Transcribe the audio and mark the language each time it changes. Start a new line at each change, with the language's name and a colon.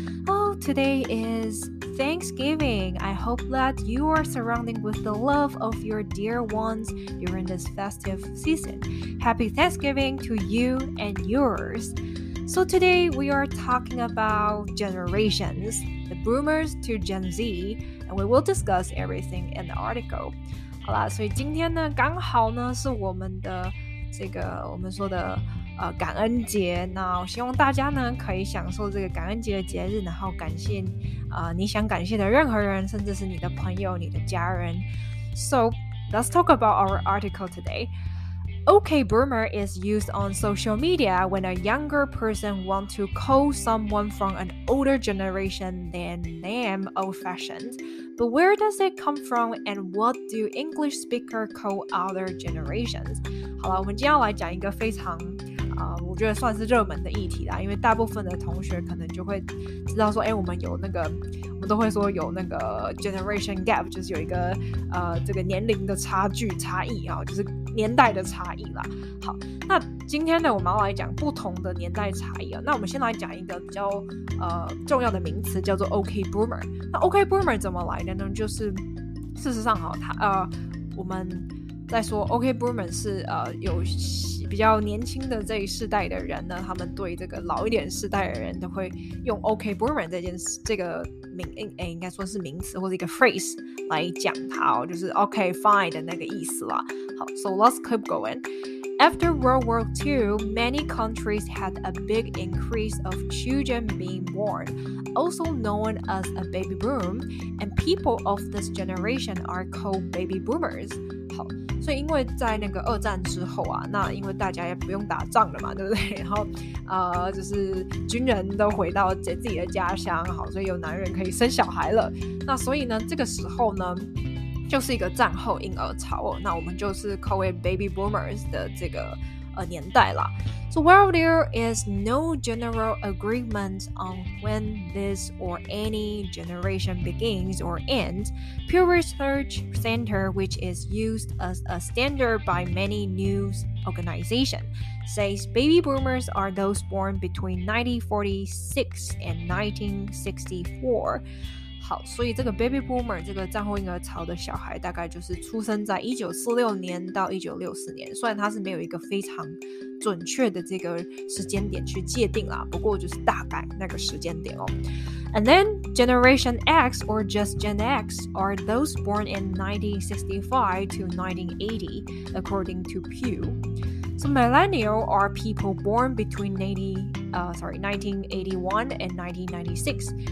English: Oh, today is Thanksgiving. I hope that you are surrounding with the love of your dear ones during this festive season. Happy Thanksgiving to you and yours. So today we are talking about generations, the boomers to Gen Z, and we will discuss everything in the article.
Chinese: 好啦，所以今天呢，刚好呢是我们的这个我们说的感恩节。那我希望大家呢可以享受这个感恩节的节日，然后感谢你想感谢的任何人，甚至是你的朋友、你的家人。
English: So let's talk about our article today. OK boomer is used on social media when a younger person wants to call someone from an older generation than them old-fashioned. But where does it come from and what do English speakers call other generations?
Chinese: 好了，我们今天要来讲一个非常我觉得算是热门的议题啦，因为大部分的同学可能就会知道说，我们有那个，我们都会说有那个 generation gap， 就是有一个这个年龄的差异啊，就是年代的差异啦。好，那今天呢，我们要来讲不同的年代差异啊。那我们先来讲一个比较重要的名词，叫做 OK boomer。那 OK boomer 怎么来的呢？就是事实上哈，我们在说 OK boomer 是有。比较年轻的这一世代的人呢，他们对这个老一点世代的人都会用 OK boomer 这件事这个名应该说是名词或者一个 phrase 来讲它哦，就是 OK fine 的那个意思啦。
English: 好， so let's keep going. After World War II, many countries had a big increase of children being born, also known as a baby boom, and people of this generation are called baby boomers.
Chinese: 好，所以因为在那个二战之后啊，那因为大家也不用打仗了嘛，对不对？然后就是军人都回到自己的家乡，好，所以有男人可以生小孩了。那所以呢，这个时候呢，就是一个战后婴儿潮哦。那我们就是
English: call it
Chinese: baby boomers 的这个年代啦。
English: So while there is no general agreement on when this or any generation begins or ends, Pew Research Center, which is used as a standard by many news organizations, says baby boomers are those born between 1946 and 1964.
Chinese: 好，所以这个 baby boomer 这个战后婴儿潮的小孩大概就是出生在1946年到1964年，虽然他是没有一个非常准确的这个时间点去界定啦，不过就是大概那个时间点哦。
English: And then Generation X or just Gen X are those born in 1965 to 1980 according to Pew. So millennial are people born between 1981 and 1996.